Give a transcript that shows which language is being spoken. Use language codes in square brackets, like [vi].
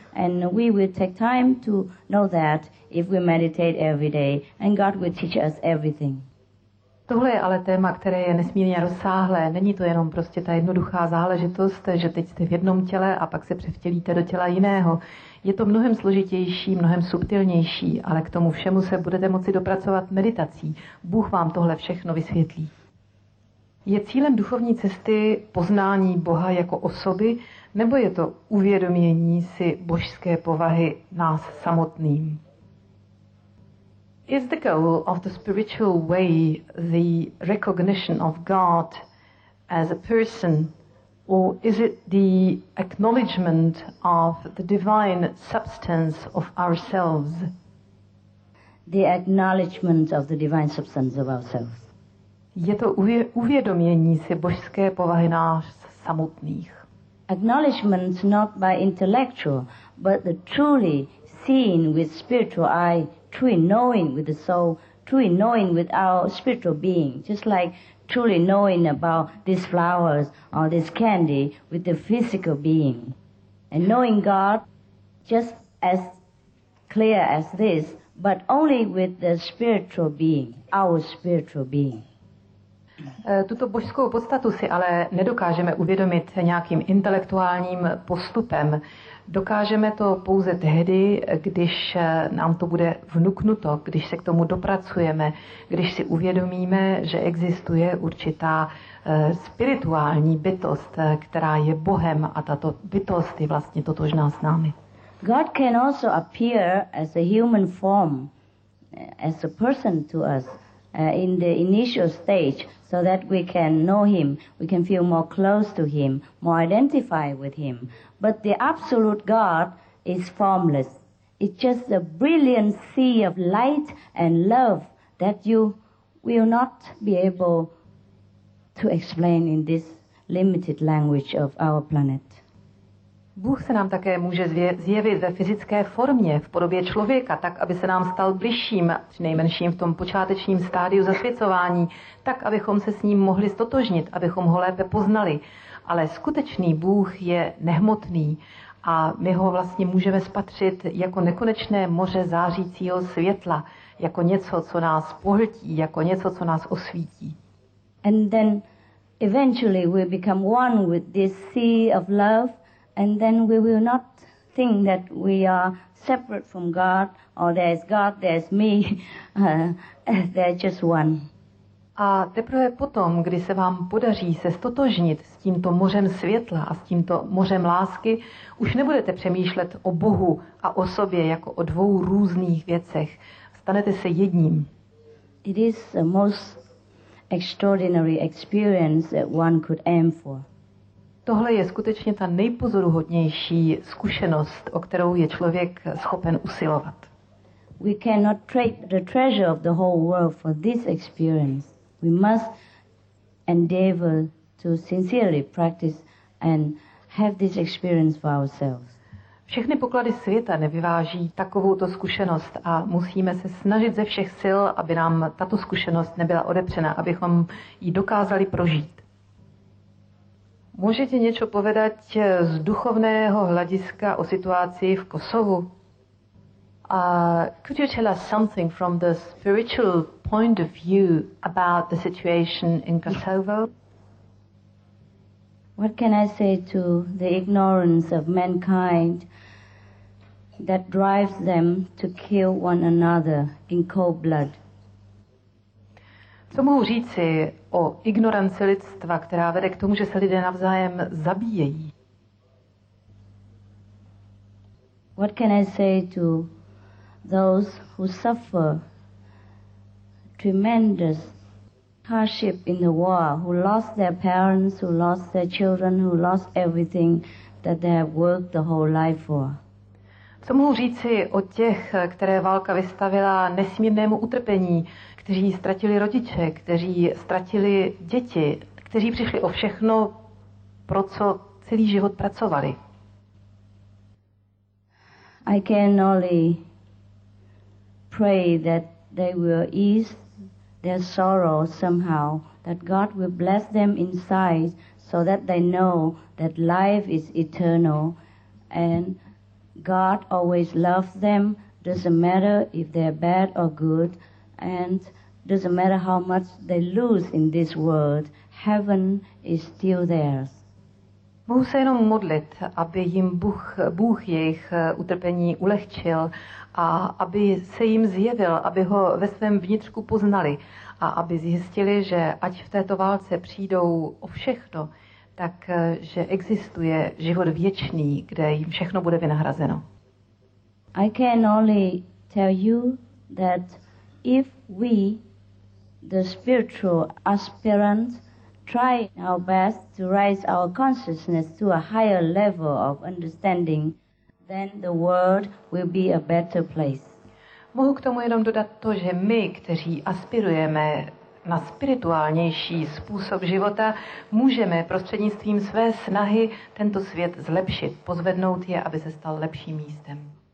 [en] And we will take time to know that if we meditate every day. And God will teach us everything. [cs] Tohle je ale téma, které je nesmírně rozsáhlé. Není to jenom prostě ta jednoduchá záležitost, že teď jste v jednom těle a pak se převtělíte do těla jiného. Je to mnohem složitější, mnohem subtilnější, ale k tomu všemu se budete moci dopracovat meditací. Bůh vám tohle všechno vysvětlí. Je cílem duchovní cesty poznání Boha jako osoby, nebo je to uvědomění si božské povahy nás samotným? [en] Is the goal of the spiritual way the recognition of God as a person, or is it the acknowledgement of the divine substance of ourselves? The acknowledgement of the divine substance of ourselves. [cs] Je to uvědomění si božské povahy nás samotných. [en] acknowledgments not by intellectual, but the truly seeing with spiritual eye, truly knowing with the soul, truly knowing with our spiritual being, just like truly knowing about these flowers or this candy with the physical being. And knowing God just as clear as this, but only with the spiritual being, our spiritual being. [cs] Tuto božskou podstatu si ale nedokážeme uvědomit nějakým intelektuálním postupem. Dokážeme to pouze tehdy, když nám to bude vnuknuto, když se k tomu dopracujeme, když si uvědomíme, že existuje určitá spirituální bytost, která je Bohem, a tato bytost je vlastně totožná s námi. [en] God can also appear as a human form, as a person to us in the initial stage, so that we can know him, we can feel more close to him, more identify with him. But the absolute God is formless. It's just a brilliant sea of light and love that you will not be able to explain in this limited language of our planet. [cs] Bůh se nám také může zjevit ve fyzické formě, v podobě člověka, tak, aby se nám stal bližším, přinejmenším v tom počátečním stádiu zasvěcování, tak, abychom se s ním mohli ztotožnit, abychom ho lépe poznali. Ale skutečný Bůh je nehmotný a my ho vlastně můžeme spatřit jako nekonečné moře zářícího světla, jako něco, co nás pohltí, jako něco, co nás osvítí. [en] And then eventually we become one with this sea of love, and then we will not think that we are separate from God, or there's God, there's me, they're just one. [cs] A teprve potom, kdy se vám podaří se ztotožnit s tímto mořem světla a s tímto mořem lásky, už nebudete přemýšlet o Bohu a o sobě jako o dvou různých věcech. Stanete se jedním. [en] It is the most extraordinary experience that one could aim for. [cs] Tohle je skutečně ta nejpozoruhodnější zkušenost, o kterou je člověk schopen usilovat. [en] We cannot trade the treasure of the whole world for this experience. We must endeavor to sincerely practice and have this experience for ourselves. [cs] Všechny poklady světa nevyváží takovouto zkušenost a musíme se snažit ze všech sil, aby nám tato zkušenost nebyla odepřena, abychom ji dokázali prožít. Můžete něco povedat z duchovného hlediska o situaci v Kosovu? [en] Could you tell us something from the spiritual point of view about the situation in Kosovo? What can I say to the ignorance of mankind that drives them to kill one another in cold blood? [cs] Co mohu říci o ignoranci lidstva, která vede k tomu, že se lidé navzájem zabíjejí? [en] What can I say to those who suffer tremendous hardship in the war, who lost their parents, who lost their children, who lost everything that they have worked the whole life for? [cs] Co mohu říci o těch, které válka vystavila nesmírnému utrpení, kteří ztratili rodiče, kteří ztratili děti, kteří přišli o všechno, pro co celý život pracovali? [en] I can only pray that they will ease their sorrow somehow, that God will bless them inside so that they know that life is eternal and God always loves them, doesn't matter if they're bad or good, and doesn't matter how much they lose in this world, heaven is still theirs. [cs] Mohu se jenom modlit, aby jim Bůh jejich utrpení ulehčil a aby se jim zjevil, aby ho ve svém vnitřku poznali a aby zjistili, že ať v této válce přijdou o všechno, tak že existuje život věčný, kde jim všechno bude vynahrazeno. [en] I can only tell you that if we, the spiritual aspirant, try our best to raise our consciousness to a higher level of understanding, then the world will be a better place. [cs] Mohu k tomu jenom dodat to, že my, kteří aspirujeme na spirituálnější způsob života, můžeme prostřednictvím své snahy tento svět zlepšit, pozvednout je, aby se stal lepším místem.